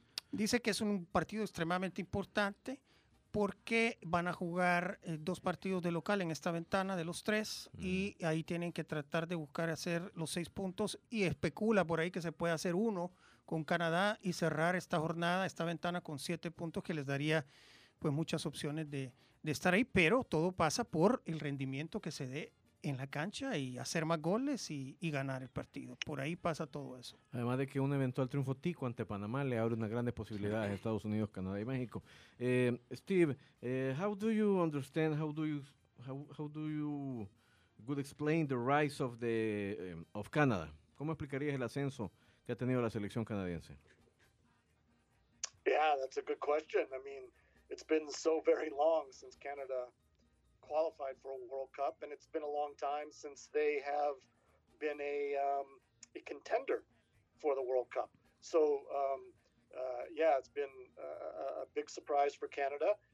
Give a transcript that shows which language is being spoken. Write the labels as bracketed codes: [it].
[es] Dice que es un partido extremadamente importante porque van a jugar dos partidos de local en esta ventana de los tres y ahí tienen que tratar de buscar hacer los 6 puntos y especula por ahí que se puede hacer uno con Canadá y cerrar esta jornada, esta ventana con 7 puntos que les daría pues muchas opciones de estar ahí, pero todo pasa por el rendimiento que se dé en la cancha y hacer más goles y ganar el partido. Por ahí pasa todo eso. Además de que un eventual triunfo tico ante Panamá le abre una gran posibilidad a Estados Unidos, Canadá y México. [en] Steve, how do you understand, how do you explain the rise of the of Canada? [es] ¿Cómo explicarías el ascenso que ha tenido la selección canadiense? [en] Yeah, that's a good question. I mean, it's been so very long since Canada qualified for a World Cup, and it's been a long time since they have been a contender for the World Cup. So, it's been a big surprise for Canada.